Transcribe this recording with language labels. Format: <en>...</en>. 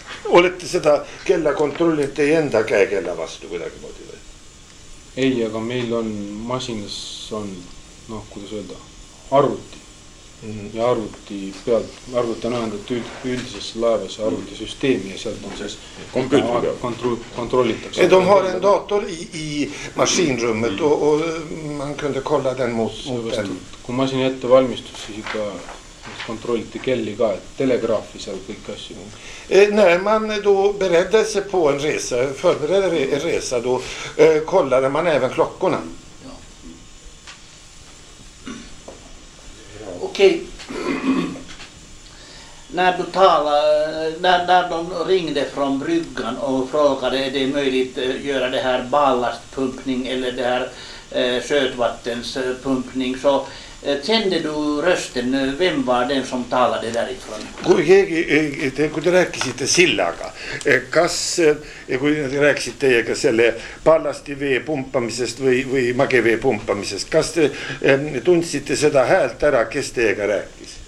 <et>Olete seda kella kontrollinud teie enda käe kella vastu kuidagi moodi või? Ei, aga meil on masinas on, noh, kuidas öelda, arvuti. Ja arvuti pealt, arvuti on ajandatud üldisesse laevas arvutisüsteemi ja sealt on siis kontrollitakse.</et> <sv>De har en dator i masinrummet och man kunde kolla den mot den.</sv> <et>Kui masin ette valmistus, siis ikka kontrolliti kelli ka, et telegraafi seal kõik asju.</et> <sv>Nej, man då beredde sig på en resa, förberedde en resa, då kollade man även klockorna. Ja. Okej. Okay. när de ringde från bryggan och frågade, är det möjligt att göra det här ballastpumpning eller det här sötvattenspumpning, så Kände du rösten? Vem var den som talade därifrån?</sv> <et>Kun te rääkisite sillaga, kas kui te rääkisite teiega selle pallasti vee pumpamisest või mage vee pumpamisest, kas te tundsite seda häält ära, kes teiega rääkis?</et>